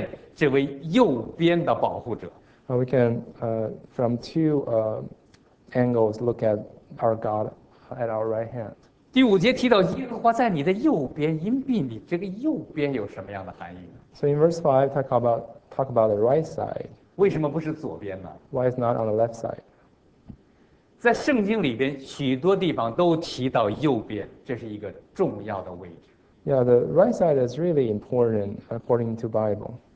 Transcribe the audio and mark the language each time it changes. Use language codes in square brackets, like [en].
[zh] 那我们可以从两个方面来体验这位右边的保护者。 [en] We can from two angles look at our God at our right hand. [zh] 第5节提到耶和华在你的右边荫庇你，这个右边有什么样的含义？ [en] So in verse 5, talk about the right side. [zh] 为什么不是左边呢？ [en] Why is not on the left side? [zh] 在圣经里边，许多地方都提到右边，这是一个重要的位置。Yeah, [en] the right side is really important according to Bible.